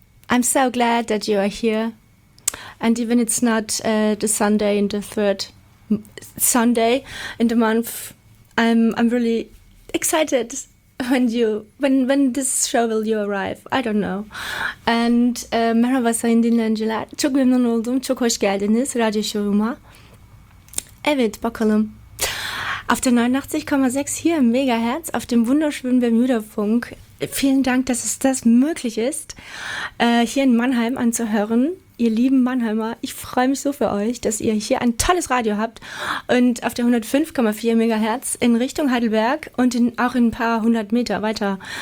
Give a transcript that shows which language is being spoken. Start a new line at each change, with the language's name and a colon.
English: I'm so glad that you are here. And even it's not the Sunday in the third Sunday in the month, I'm really excited. When this show will you arrive? I don't know.
Turkish: And merhaba sayın dinleyiciler. Çok memnun oldum. Çok hoş geldiniz radyo şovuma. Evet, bakalım.
German: Auf der 89,6 hier im Megahertz, auf dem wunderschönen Bermuda-Funk. Vielen Dank, dass es das möglich ist, hier in Mannheim anzuhören. Ihr lieben Mannheimer, ich freue mich so für euch, dass ihr hier ein tolles Radio habt und auf der 105,4 Megahertz in Richtung Heidelberg und auch in ein paar hundert Meter weiter.